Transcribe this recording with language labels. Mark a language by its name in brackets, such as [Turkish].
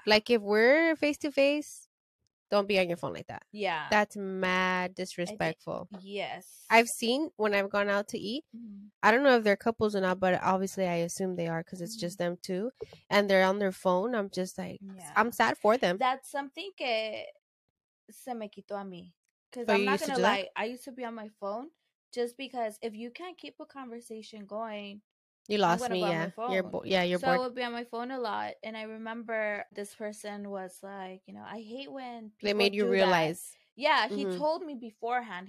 [English] Like, if we're face-to-face, don't be on your phone like that. Yeah. That's mad disrespectful. Yes. I've seen when I've gone out to eat, mm-hmm. I don't know if they're couples or not, but obviously I assume they are because it's mm-hmm. just them two. And they're on their phone. I'm just like, yeah. I'm sad for them. [Spanish] That's something que se me quitó a mí. [English] Because I'm not going to lie, that? I used to be on my phone just because if you can't keep a conversation going... You lost me, yeah. You're so bored. I would be on my phone a lot, and I remember this person was like, you know, I hate when people they made you realize. That. Yeah, he mm-hmm. told me beforehand.